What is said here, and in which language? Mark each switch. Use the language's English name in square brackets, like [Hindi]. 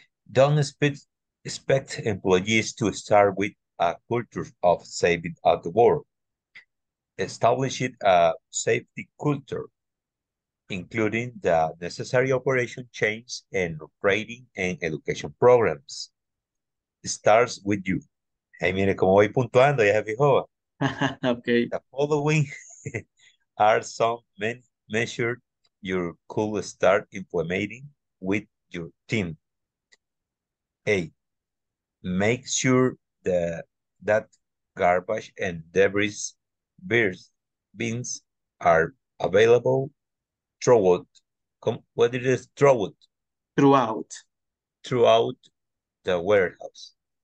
[English] Don't expect employees to start with a culture of saving at the work. Establish a safety culture, including the necessary operation chains and rating and education programs. It starts with you. [Spanish] Hey, mire, como voy puntuando, ya se fijó. [English] Okay. The following are some measures you could start implementing with your team. A, make sure that garbage and debris bins are available throughout the warehouse.